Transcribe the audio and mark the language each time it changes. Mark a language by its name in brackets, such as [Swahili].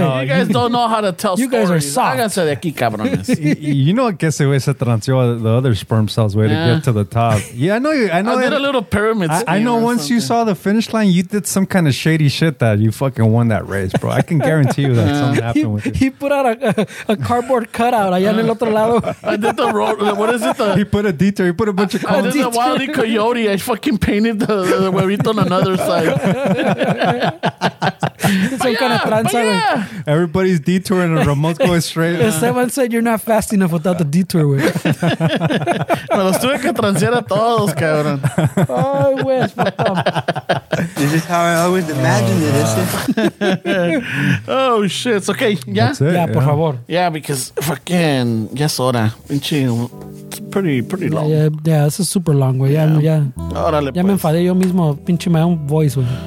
[English] No. You guys don't know how to tell you stories. You guys are soft. [Spanish] De aquí, cabrones. [English] You know [Spanish] que ese güey se transió [English] the other sperm cells way to get to the top. Yeah, I know. I did a little pyramid scheme. I know once something. You saw the finish line, you did some kind of shady shit that you fucking won that race, bro. I can guarantee you that something happened with you. He put out a cardboard cutout [Spanish] allá en el otro lado. [English] I did the road. What is it? He put a detour. He put a bunch of cones. I did the Wile E. Coyote. I fucking painted the huevito on another side. Some kind of trance. Yeah. Everybody's detouring and Ramon's going straight. Esteban said you're not fast enough without the detour way. [Spanish] Me los tuve que transear a todos, cabrón. [English] I wish. This is how I always imagined it, isn't it? Oh, shit. Okay, [Spanish] ¿ya? [English] That's it, yeah, [Spanish] por favor. [English] Yeah, because fucking, [Spanish] ya es hora. Pinche, [English] it's pretty long. Yeah, it's a super long way. Yeah. [Spanish] Órale, ya me enfadé yo mismo, pinche [English] my own voice, [Spanish] wey.